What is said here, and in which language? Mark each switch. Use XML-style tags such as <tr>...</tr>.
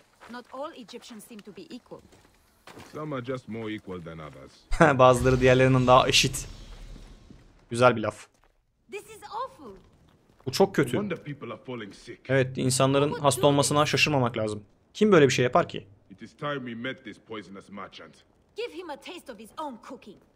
<en>Not all Egyptians seem to be equal. Some are just more equal than others.</en> <tr>Bazıları diğerlerinden daha eşit. Güzel bir laf.</tr> <en>This is awful.</en> <tr>Bu çok kötü. Evet, insanların hasta olmasına şaşırmamak lazım. Kim böyle bir şey yapar ki?</tr> <en>It is time we met this poisonous merchant. Give him a taste of his own cooking.</en>